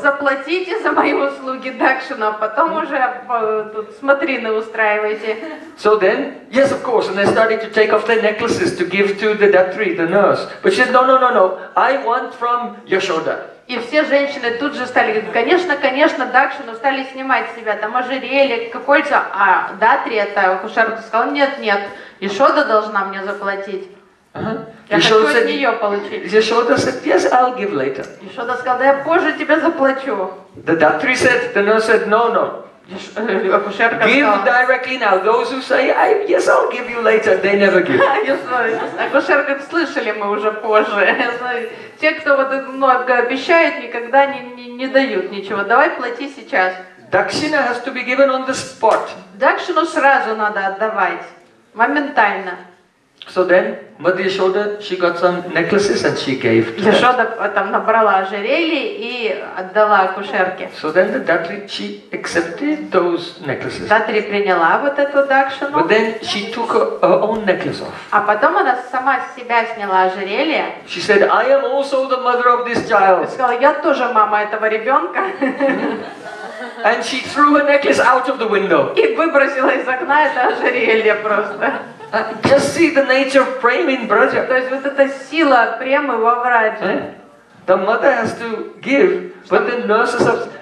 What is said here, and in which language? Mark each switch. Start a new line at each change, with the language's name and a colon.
Russian: Заплатите за мои услуги дакшина, потом уже тут смотрины устраивайте.
English: So then, yes, of course, and they started to take off their necklaces to give to the datri, the nurse. But she said no. I want from Yashoda.
Russian: И все женщины тут же стали, конечно, дакшину стали снимать с себя, там ожерелье, кольца, а датри это акушерка сказала, нет, Яшода должна мне заплатить. Uh-huh. Я Яшода хочу от нее получить.
English: Яшода said, yes, I'll give later.
Russian: Яшода сказала, да я позже тебе заплачу.
English: The datri said, the nurse said, no.
Russian: Акушерка
English: give
Russian: сказала,
English: directly now. Those who say, yes, I'll give you later, they never give.
Russian: Акушерка, слышали мы уже позже. Те, кто вот много обещает, никогда не дают ничего. Давай плати сейчас.
English: Dakshina has to be given on the spot.
Russian: Дакшину сразу надо отдавать. Моментально.
English: So then, Mother Yashoda, she got some necklaces and she gave to
Russian: Yashoda там набрала ожерелье и отдала акушерке.
English: So then the Datri, she accepted those necklaces.
Russian: Datri приняла вот эту дакшину.
English: But then she took her own necklace off.
Russian: А потом она сама с себя сняла ожерелье.
English: She said, I am also the mother of this child.
Russian: Сказала, я тоже мама этого ребенка.
English: And she threw her necklace out of the window.
Russian: И выбросила из окна это ожерелье просто.
English: Just see the nature of prema in Braja.
Russian: То есть вот эта сила премы во Враже.
English: The mother has to give, but the nurses have.